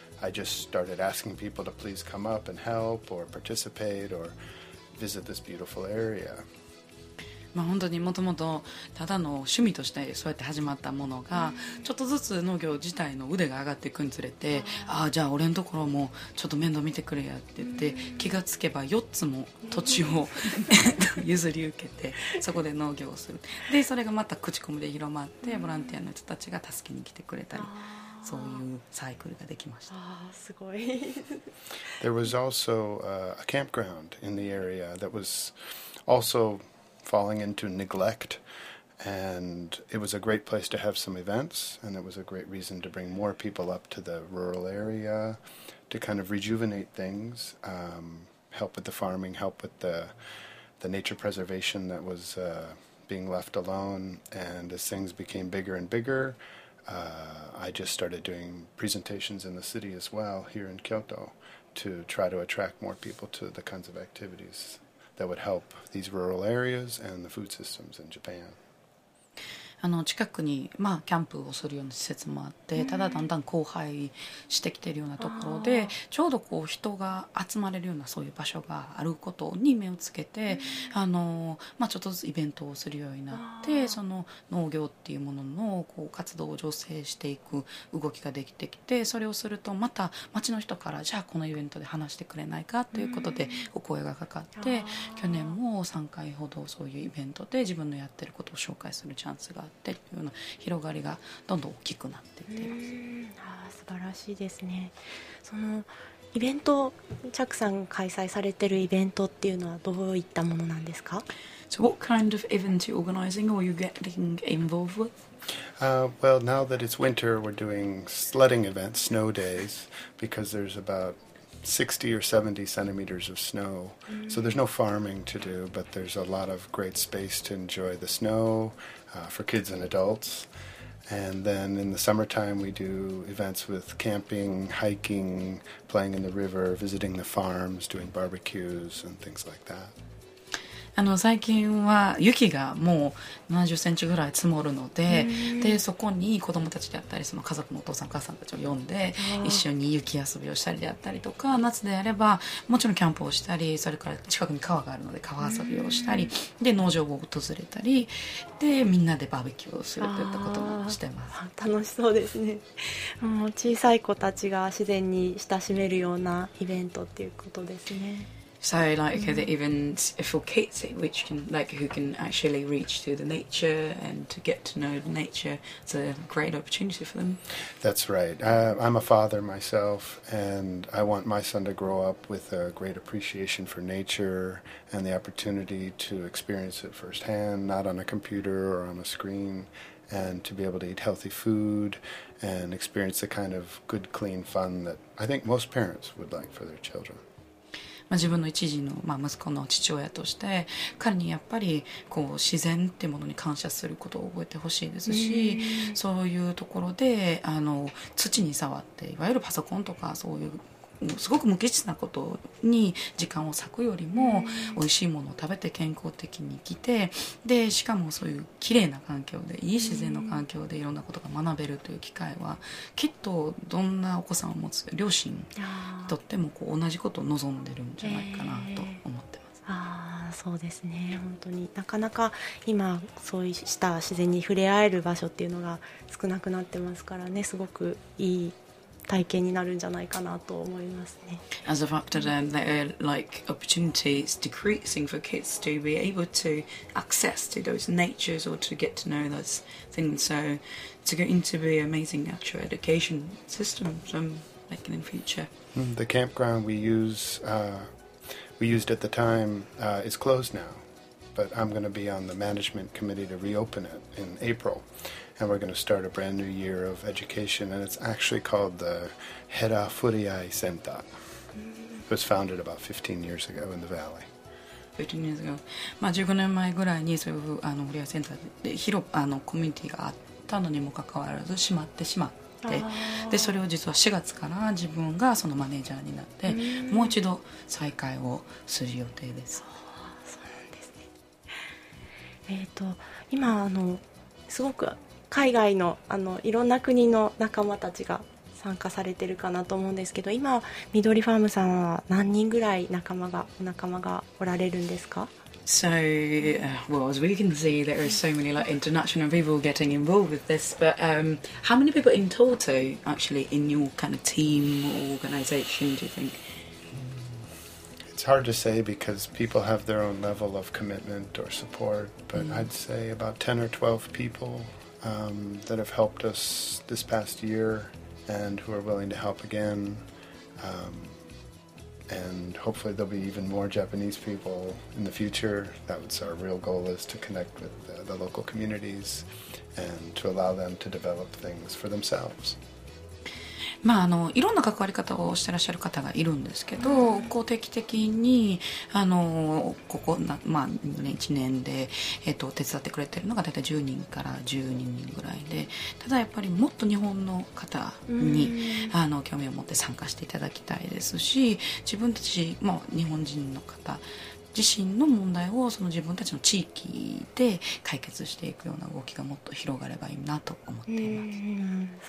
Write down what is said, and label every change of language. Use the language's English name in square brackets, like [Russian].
[English] I just started asking people to please come up and help or participate or visit this beautiful area. [Japanese] まあ、本当にもともとただの趣味としてそうやって始まったものがちょっとずつ農業自体の腕が上がっていくにつれて、ああじゃあ俺のところもちょっと面倒見てくれやって言って、気がつけば4つも土地を譲り受けてそこで農業をする。でそれがまた口コミで広まってボランティアの人たちが助けに来てくれたり、そういうサイクルができました。あすごい。 [English] There was also a campground in the area that was alsofalling into neglect, and it was a great place to have some events, and it was a great reason to bring more people up to the rural area to kind of rejuvenate things, help with the farming, help with the nature preservation that was being left alone. And as things became bigger and bigger, I just started doing presentations in the city as well here in Kyoto to try to attract more people to the kinds of activiesthat would help these rural areas and the food systems in Japan. [Japanese] あの近くに、まあ、キャンプをするような施設もあって、mm. ただだんだん荒廃してきているようなところで、ちょうどこう人が集まれるようなそういう場所があることに目をつけて、mm. あのまあ、ちょっとずつイベントをするようになって、oh. その農業っていうもののこう活動を助成していく動きができてきて、それをするとまた町の人からじゃあこのイベントで話してくれないかということでお声がかかって、mm. 去年も3回ほどそういうイベントで自分のやってることを紹介するチャンスがっていうような広がりがどんどん大きくなっていっています。うん、あ素晴らしいですね。そのイベント、チャクさん開催されてるイベントっていうのはどういったものなんですか？ [English] So what kind of event are you organizing or are you getting involved with? Well, now that it's winter, we're doing sledding events, snow days, because there's about 60 or 70 centimeters of snow. So there's no farming to do, but there's a lot of great space to enjoy the snow. For kids and adults. And then in the summertime we do events with camping, hiking, playing in the river, visiting the farms, doing barbecues and things like that. [Japanese] あの最近は雪がもう70センチぐらい積もるの で、 でそこに子どもたちであったり、その家族のお父さんお母さんたちを呼んで一緒に雪遊びをしたりであったりとか、夏であればもちろんキャンプをしたり、それから近くに川があるので川遊びをしたり、で農場を訪れたり、でみんなでバーベキューをするといったこともしてます。楽しそうですね。もう小さい子たちが自然に親しめるようなイベントっていうことですね。 [English] So like the events for kids, which can like who can actually reach to the nature and to get to know the nature, it's a great opportunity for them. That's right. I'm a father myself, and I want my son to grow up with a great appreciation for nature and the opportunity to experience it firsthand, not on a computer or on a screen, and to be able to eat healthy food and experience the kind of good, clean fun that I think most parents would like for their children. [Japanese] まあ、自分の一時の、まあ、息子の父親として彼にやっぱりこう自然っていうものに感謝することを覚えてほしいですし、そういうところであの土に触っていわゆるパソコンとかそういうすごく無機質なことに時間を割くよりも、美味しいものを食べて健康的に生きて、でしかもそういう綺麗な環境でいい自然の環境でいろんなことが学べるという機会はきっとどんなお子さんを持つ両親にとってもこう同じことを望んでるんじゃないかなと思ってます。そうですね。本当になかなか今そうした自然に触れ合える場所っていうのが少なくなってますからね、すごくいい体験になるんじゃないかなと思いますね。 [English] As a factor, there are like opportunities decreasing for kids to be able to access to those natures or to get to know those things. So it's going to be amazing natural education system from like in the future. The campground we used at the time is closed now, but I'm going to be on the management committee to reopen it in April. And we're going to start a brand new year of education, and it's actually called the Hera Furiai Senta. It was founded about 15 years ago in the valley. 15 years ago. [Japanese] まあ15年前ぐらいにそういうあのフリアセンターで広あのコミュニティがあったのにもかかわらず閉まってしまって、でそれを実は4月から自分がそのマネージャーになってもう一度再開をする予定です。そうなんですね。今あのすごく海外の、 あのいろんな国の仲間たちが参加されてるかなと思うんですけど、今緑ファームさんは何人ぐらい仲間がおられるんですか？ [English] So, well, as we can see, there are so many like international people getting involved with this. But、how many people in total actually in your kind of team or organization do you think? It's hard to say because people have their own level of commitment or support, but、mm. I'd say about 10 or 12 people、that have helped us this past year and who are willing to help again.、and hopefully there'll be even more Japanese people in the future. That's our real goal, is to connect with the local communities and to allow them to develop things for themselves. [Japanese] まあ、あのいろんな関わり方をしてらっしゃる方がいるんですけど、こう定期的にあのここな、まあ、1年で、手伝ってくれてるのが大体10人から12人ぐらいで、ただやっぱりもっと日本の方にあの興味を持って参加していただきたいですし、自分たちも日本人の方自身の問題をその自分たちの地域で解決していくような動きがもっと広がればいいなと思っています。